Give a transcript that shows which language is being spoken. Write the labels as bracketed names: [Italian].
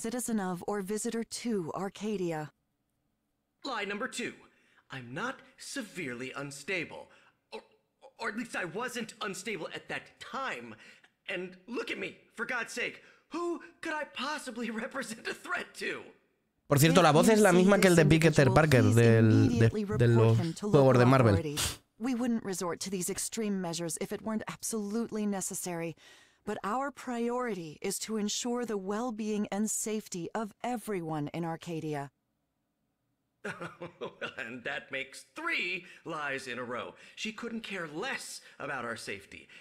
[English] Citizen of or visitor to Arcadia. Lie number two. I'm not severely unstable. Or at least I wasn't unstable at that time. And look at me, for God's sake. Who could I possibly represent a threat to? [Spanish] Por cierto, la voz es la misma que el de Peter Parker del juego de Marvel. [English] We wouldn't resort to these extreme measures if it weren't absolutely necessary. But our priority is to ensure the well-being and safety of everyone in Arcadia. And that makes three lies in a row. She couldn't care less about our safety.